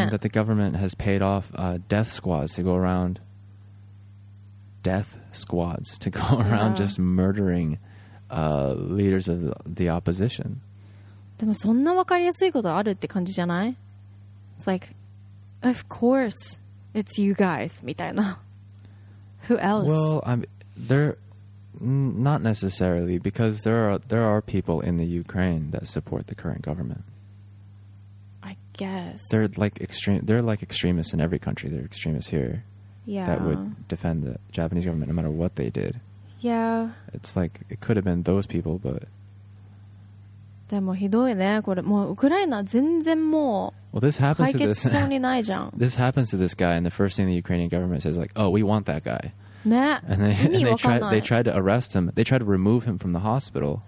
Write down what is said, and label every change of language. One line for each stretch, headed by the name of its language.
English: And that the government has paid off death squads to go aroundDeath squads to go around just murdering leaders of the opposition.
Japanese: でもそんなわかりやすいことあるって感じじゃない?
English: It's like, of course, it's you guys,
Japanese: みたいな.
English: Who else? Well, they're not necessarily because there are people in the Ukraine that support the current government. I guess. They're like extremists in every country. They're extremists here. Yeah. That would defend the Japanese government no matter what they did. Yeah. It's like, it could have been those people, but...
Japanese: でもひどいね、これ。もうウクライナ全然もう解決しそうにないじゃん。
English: This happens to this guy, and the first thing the Ukrainian government says is like, oh, we want that guy.
Japanese: ね。
English: And they tried to arrest him. They tried to remove him from the hospital.